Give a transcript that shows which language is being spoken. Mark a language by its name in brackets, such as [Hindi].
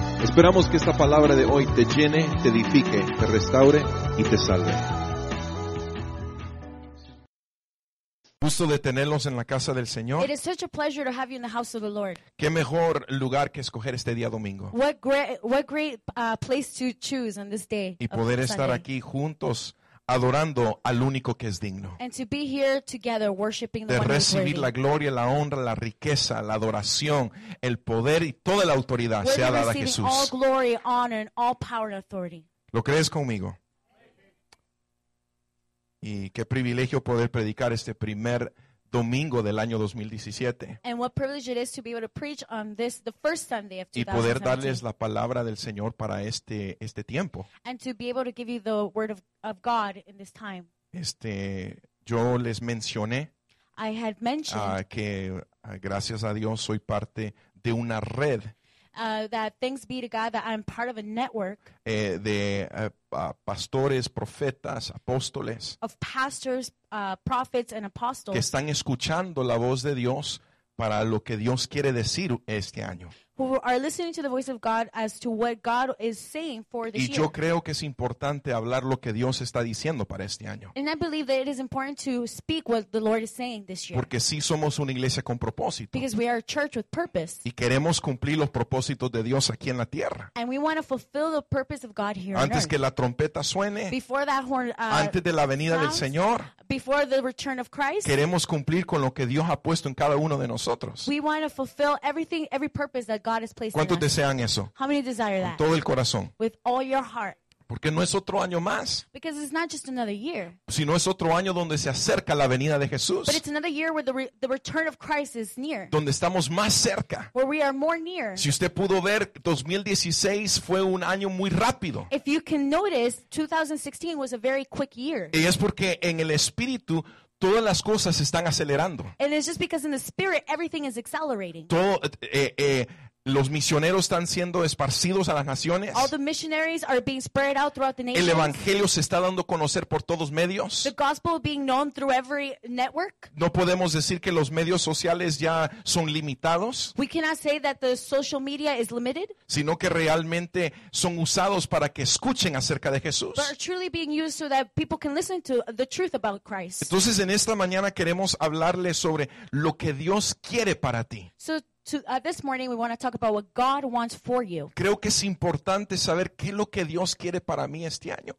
[Spanish] Esperamos que esta palabra de hoy te llene, te edifique, te restaure y te salve. Gusto de tenerlos en la casa del Señor. [English] It is such a pleasure to have you in the house of the Lord. [Spanish] Qué mejor lugar que escoger este día domingo. [English] What great place to choose on this day. [Spanish] Y poder estar aquí juntos adorando al único que es digno. [English] And to be here together worshiping the [Spanish] de [English] one who is worthy. [Spanish] De recibir la gloria, la honra, la riqueza, la adoración, el poder y toda la autoridad [English] worthy [Spanish] sea dada a Jesús. [English] All glory, honor, and all power and authority. [Spanish] ¿Lo crees conmigo? Y qué privilegio poder predicar este primer domingo del año 2017. [English] And what privilege it is to be able to preach on this, the first Sunday of 2017. [Spanish] Y poder darles la palabra del Señor para este tiempo. [English] And to be able to give you the word of God in this time. [Spanish] Yo les mencioné. [English] I had mentioned. [Spanish] Que gracias a Dios soy parte de una red. [English] That thanks be to God that I'm part of a network [Spanish] pastores, profetas, apóstoles, [English] of pastors, prophets, and apostles [Spanish] que están escuchando la voz de Dios para lo que Dios quiere decir este año. [English] Who are listening to the voice of God as to what God is saying for this [Spanish] y [English] year. [Spanish] Y yo creo que es importante hablar lo que Dios está diciendo para este año. [English] And I believe that it is important to speak what the Lord is saying this year. [Spanish] Porque sí somos una iglesia con propósito. [English] Because we are a church with purpose. [Spanish] Y queremos cumplir los propósitos de Dios aquí en la tierra. [English] And we want to fulfill the purpose of God here on earth. [Spanish] Antes que la trompeta suene. [English] Before that horn [Spanish] antes de la venida [English] sounds, [Spanish] del Señor. [English] Before the return of Christ. [Spanish] Queremos cumplir con lo que Dios ha puesto en cada uno de nosotros. [English] We want to fulfill everything, every purpose that God has placed. [Spanish] ¿Cuántos desean eso? [English] How many desire that? [Spanish] Con todo el corazón. [English] With all your heart. [Spanish] Porque no es otro año más. [English] Because it's not just another year. [Spanish] Sino es otro año donde se acerca la venida de Jesús. [English] But it's another year where the return of Christ is near. [Spanish] Donde estamos más cerca. [English] Where we are more near. [Spanish] Si usted pudo ver, 2016 fue un año muy rápido. [English] If you can notice, 2016 was a very quick year. [Spanish] Y es porque en el espíritu todas las cosas se están acelerando. [English] And it's just because in the spirit everything is accelerating. [Spanish] Todo los misioneros están siendo esparcidos a las naciones. [English] All the missionaries are being spread out throughout the nations. [Spanish] El evangelio se está dando a conocer por todos medios. [English] The gospel being known through every network. [Spanish] No podemos decir que los medios sociales ya son limitados. [English] We cannot say that the social media is limited. [Spanish] Sino que realmente son usados para que escuchen acerca de Jesús. [English] But are truly being used so that people can listen to the truth about Christ. [Spanish] Entonces en esta mañana queremos hablarles sobre lo que Dios quiere para ti. [English] So, this morning we want to talk about what God wants for you. [Spanish] Creo que es importante saber qué es lo que Dios quiere para mí este año.